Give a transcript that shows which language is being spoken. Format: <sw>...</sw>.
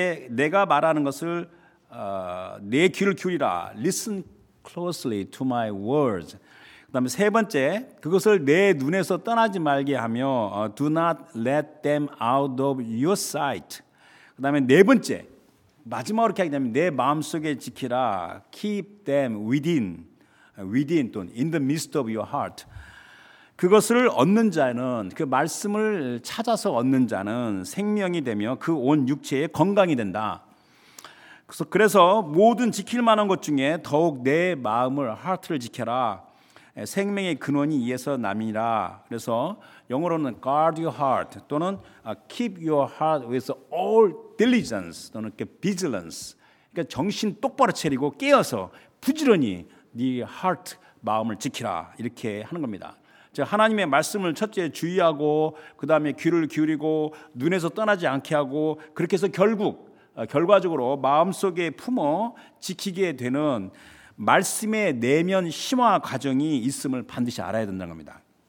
<ko>내가 말하는 것을 내 귀를 기울이라</ko> <en>listen closely to my words</en> <ko>그 다음에 세 번째 그것을 내 눈에서 떠나지 말게 하며</ko> <en>do not let them out of your sight</en> <ko>그 다음에 네 번째 마지막으로 이렇게 하게 되면 내 마음속에 지키라</ko> <en>keep them within within</en> <ko>또는</ko> <en>in the midst of your heart.</en> <ko>그것을 얻는 자는 그 말씀을 찾아서 얻는 자는 생명이 되며 그 온 육체에 건강이 된다. 그래서 모든 지킬 만한 것 중에 더욱 내 마음을 heart를 지켜라. 생명의 근원이 이에서 남이라. 그래서 영어로는</ko> <en>guard your heart</en> <ko>또는</ko> <en>keep your heart with all diligence 또는 vigilance.</en> <ko>그러니까 정신 똑바로 차리고 깨어서 부지런히 네 heart 마음을 지키라 이렇게 하는 겁니다. 즉 하나님의 말씀을 첫째 주의하고 그 다음에 귀를 기울이고 눈에서 떠나지 않게 하고 그렇게 해서 결과적으로 마음속에 품어 지키게 되는 말씀의 내면 심화 과정이 있음을 반드시 알아야 된다는 겁니다.</ko>